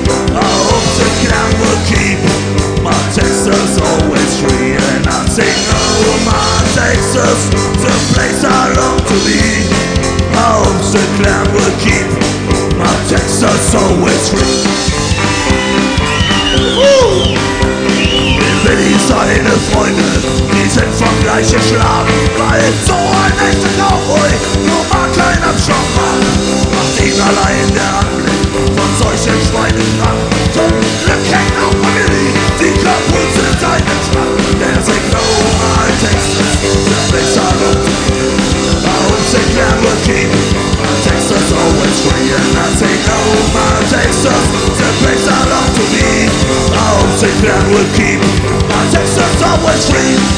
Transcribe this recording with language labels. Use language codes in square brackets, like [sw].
[en] I hope the clan will keep my Texas always free. Oh my Texas, the place I long to be. I hope the clan will keep my Texas always free. [de] Will Billy seine Freunde, die sind vom gleichen Schlag. Weil so ein echter Cowboy nur mal keinen Abschlag hat. Macht ihn allein der Anblick von solchen Schweinen krank. Zum Glück hängt auch bei Billy die Kapuze in seinen Schrank. Der singt, [en] oh my Texas, the place I long to be. I hope the clan will keep my Texas always free. And I say, oh my Texas, the place I long to be. I hope the clan will keep my Texas always free.